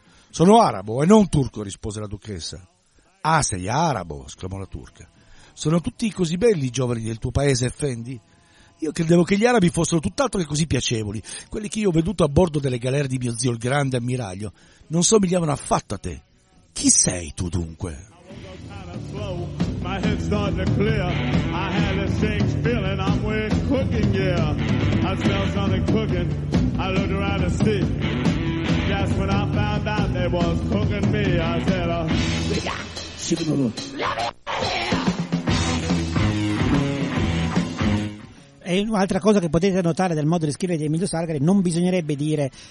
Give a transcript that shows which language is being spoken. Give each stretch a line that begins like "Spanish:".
Italian: «Sono arabo e non turco», rispose la duchessa. «Ah, sei arabo», esclamò la turca. «Sono tutti così belli i giovani del tuo paese, effendi? Io credevo che gli arabi fossero tutt'altro che così piacevoli. Quelli che io ho veduto a bordo delle galere di mio zio, il grande ammiraglio, non somigliavano affatto a te. Chi sei tu, dunque?»
English: My head's starting to clear. I had a strange feeling. I'm wearing cooking gear. I smell something cooking. I looked around to see. That's when I found out they was cooking me. I said,
Italian: E un'altra cosa che potete notare del modo di scrivere di Emilio Salgari: non bisognerebbe dire.